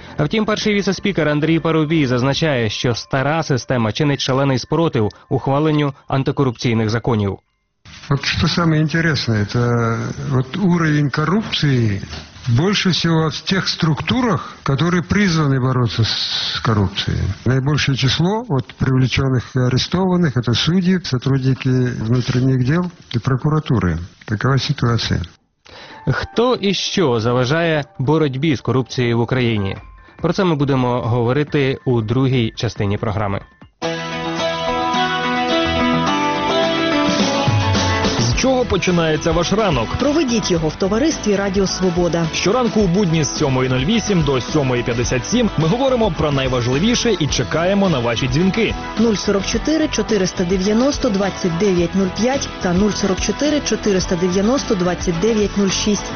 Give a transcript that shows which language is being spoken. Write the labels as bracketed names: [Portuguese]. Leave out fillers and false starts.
[Ukrainian] Втім, перший віце-спікер Андрій Парубій зазначає, що стара система чинить шалений спротив ухваленню антикорупційних законів. От що найцікавіше, це от рівень корупції [Russian] больше всего в тех структурах, которые призваны бороться с коррупцией. Наибольшее число вот привлеченных и арестованных – это судьи, сотрудники внутренних дел и прокуратуры. Такова ситуация. Кто и что заважает борьбе с коррупцией в Украине? Про это мы будем говорить у второй части программы. [Ukrainian] Чого починається ваш ранок? Проведіть його в товаристві Радіо Свобода. Щоранку у будні з 7.08 до 7.57 ми говоримо про найважливіше і чекаємо на ваші дзвінки. 044 490 2905 та 044 490 2906.